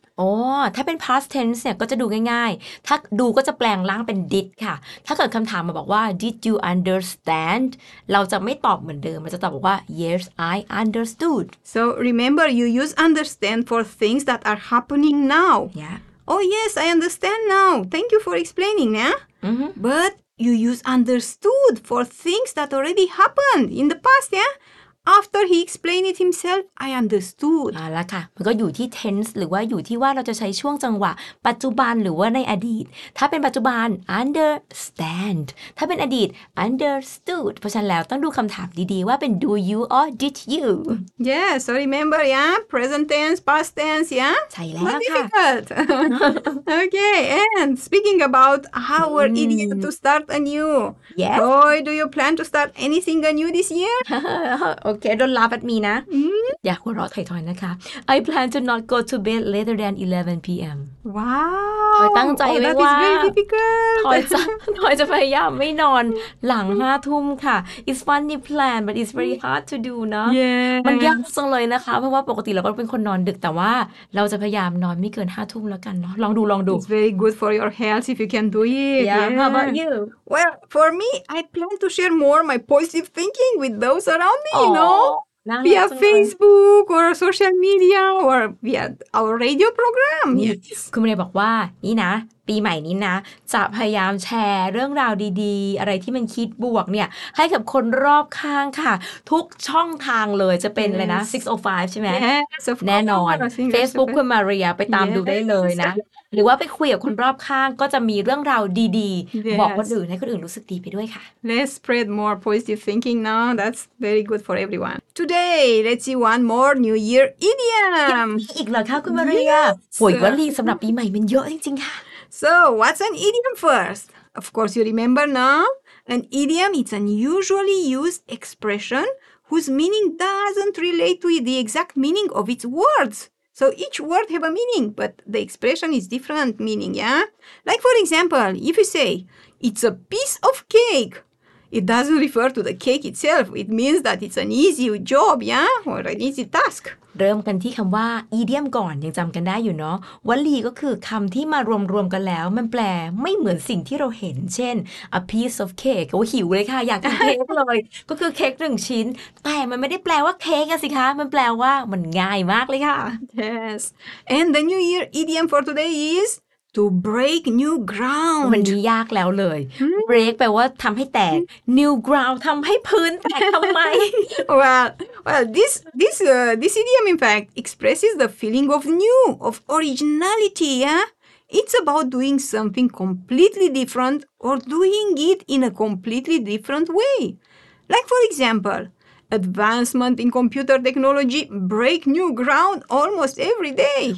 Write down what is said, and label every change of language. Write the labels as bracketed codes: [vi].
[th] อ๋อถ้าเป็น past tense เนี่ยก็จะดูง่ายๆถ้าดูก็จะแปลงร่างเป็น did ค่ะถ้าเกิดคำถามมาบอกว่า [en] did you understand [th] เราจะไม่ตอบเหมือนเดิมเราจะตอบว่า [en] yes I understood so remember you use understand for things that are happening now yeah oh yes I understand now thank you for explaining นะ but you use understood for things that already happened in the past yeahAfter he explained it himself, I understood. [th] อ่าล่ะค่ะมันก็อยู่ที่ tense หรือว่าอยู่ที่ว่าเราจะใช้ช่วงจังหวะปัจจุบันหรือว่าในอดีตถ้าเป็นปัจจุบัน understand ถ้าเป็นอดีต understood เพราะฉะนั้นแล้วต้องดูคำถามดีๆว่าเป็น [en] do you or did you? Yeah, so remember, yeah, present tense, past tense, yeah? [th] ใช่แล้วค่ะ [en] Not difficult. Okay, and speaking about our idea to start anew. Yes. Boy, do you plan to start anything anew this year? Okay, don't laugh at me นะ mm-hmm. อ [th] ย่าหัวเราะถอยๆนะคะ [en] I plan to not go to bed later than 11 p.m. Wow [th] ถอยตั้งใจไว้ว่า [en] that is very difficult [th] ถอยจะพยายามไม่นอนหลัง 5 ทุ่มค่ะ [en] It's funny plan but it's very hard to do เนาะ yeah. [th] มันยากจังเลยนะคะเพราะว่าปกติเราก็เป็นคนนอนดึกแต่ว่าเราจะพยายามนอนไม่เกิน 5 ทุ่มแล้วกันเนาะลองดู [en] It's very good for your health if you can do it yeah. Yeah. How about you? Well, for me, I plan to share more my positive thinking with those around me oh. No, via Facebook or social media or via our radio program. Yes. [th] คุณเรียบอกว่านี่นะปีใหม่นี้นะจะพยายามแชร์เรื่องราวดีๆอะไรที่มันคิดบวกเนี่ยให้กับคนรอบข้างค่ะทุกช่องทางเลยจะเป็นเลยนะ605ใช่ไหม [en] yes, [th] แน่นอน Facebook คุณมาเรียไปตาม [en] yes. [th] ดูได้เลยนะหรือว่าไปคุยกับคนรอบข้างก็จะมีเรื่องราวดีๆ [en] yes. [th] บอกคนอื่นให้คนอื่นรู้สึกดีไปด้วยค่ะ [en] Let's spread more positive thinking now that's very good for everyone today let's see one more New Year idiom [th] อีกเหรอคะคุณมาเรียป่วยวันลีสำหรับปีใหม่มันเยอะจริงๆค่ะ [en] So, what's an idiom first? Of course, you remember, no? An idiom is an usually used expression whose meaning doesn't relate to the exact meaning of its words. So each word have a meaning, but the expression is different meaning, yeah? Like, for example, if you say, it's a piece of cake, it doesn't refer to the cake itself. It means that it's an easy job, yeah? Or an easy task. [th] เริ่มกันที่คำว่า idiom ก่อนยังจำกันได้อยู่เนาะวลีก็คือคำที่มารวมๆกันแล้วมันแปลไม่เหมือนสิ่งที่เราเห็นเช่น [en] a piece of cake [th] โอ้หิวเลยค่ะอยากกินเค้กเลย ก็คือเค้ก1ชิ้นแต่มันไม่ได้แปลว่าเค้กอะสิคะมันแปลว่ามันง่ายมากเลยค่ะ [en] yes and the new year idiom for today isTo break new ground. [th] มันยากแล้วเลย Break แปลว่าทำให้แตก New ground ทำให้พื้นแตกทำไม [en] Well, this idiom in fact expresses the feeling of new, of originality, yeah? It's about doing something completely different or doing it in a completely different way. Like for example, advancement in computer technology break new ground almost every day.